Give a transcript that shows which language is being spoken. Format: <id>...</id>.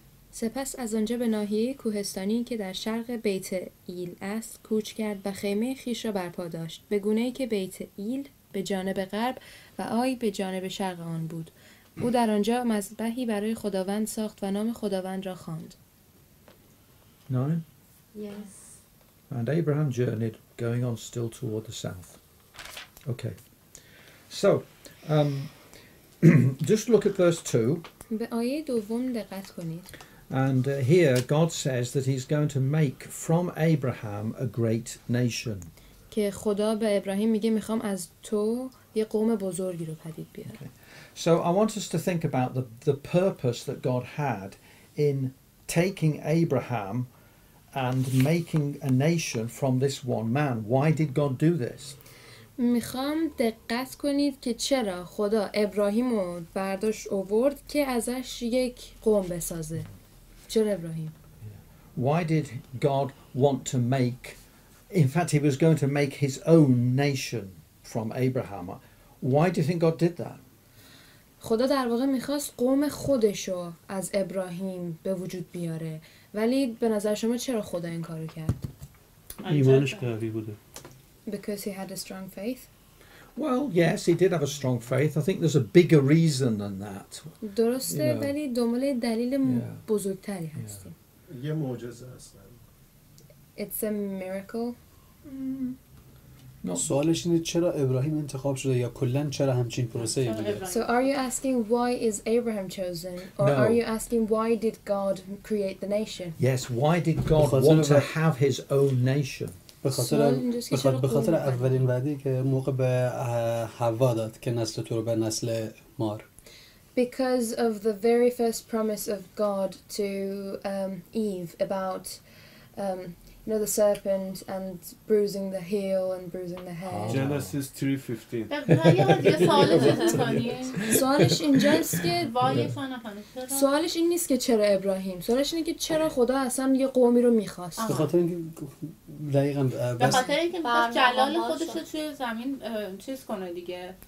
<fa>سپس از آنجا به ناحیه کوهستانی که در شرق بیت ایل است کوچ کرد و خیمه خیش را برپا داشت به گونه ای که بیت ایل به جانب غرب و آی به جانب شرق آن بود او در آنجا مذبحی برای خداوند ساخت و نام خداوند را خواند.</fa> <en>9 Yes. And Abraham journeyed, going on still toward the south. Okay. So, just look at verse 2.</en> <fa>به آیه دوم دقت کنید.</fa> <en>And here God says that he's going to make from Abraham a great nation.</en> <fa>که خدا به ابراهیم میگه میخوام از تو یه قوم بزرگی رو پدید بیارم.</fa> <en>Okay. So I want us to think about the purpose that God had in taking Abraham and making a nation from this one man. Why did God do this?</en> <fa>میخوام دقت کنید که چرا خدا ابراهیم رو برداشت آورد که ازش یک قوم بسازه. چرا ابراهیم؟</fa> <en>Why did God want to make, in fact he was going to make his own nation from Abraham. Why do you think God did that?</en> <fa>خدا در واقع میخواست قوم خودشو از ابراهیم به وجود بیاره. ولی به نظر شما چرا خدا این کارو کرد؟ ایمانش قوی بوده.</fa> <en>Because he had a strong faith. Well, yes, he did have a strong faith. I think there's a bigger reason than that.</en> <fa>درسته،</fa> <en>you know.</en> <fa>ولی دنبال دلیل بزرگتری هستیم. یه معجزه هستن.</fa> <en>It's a miracle. No.</en> <fa>سوالش اینه چرا ابراهیم انتخاب شده یا کلن چرا همچین پروسه ای بگه؟</fa> <en>So are you asking why is Abraham chosen? Or no. Are you asking why did God create the nation? Yes, why did God want to have his own nation?</en> <fa>بخاطر اولین وعده که موقع به حوا داد که نسل تو رو به نسل مار.</fa> <en>Because of the very first promise of God to Eve about you know, the serpent and bruising the heel and bruising the head. Genesis 3:15.</en> <fa>سوالش اینجاست که سوالش این نیست که چرا ابراهیم، سوالش اینه که چرا خدا اصلا یه قومی رو میخواست. به خاطر اینکه دقیقاً به خاطر اینکه جلال خودش رو توی زمین چیز کنه دیگه.</fa>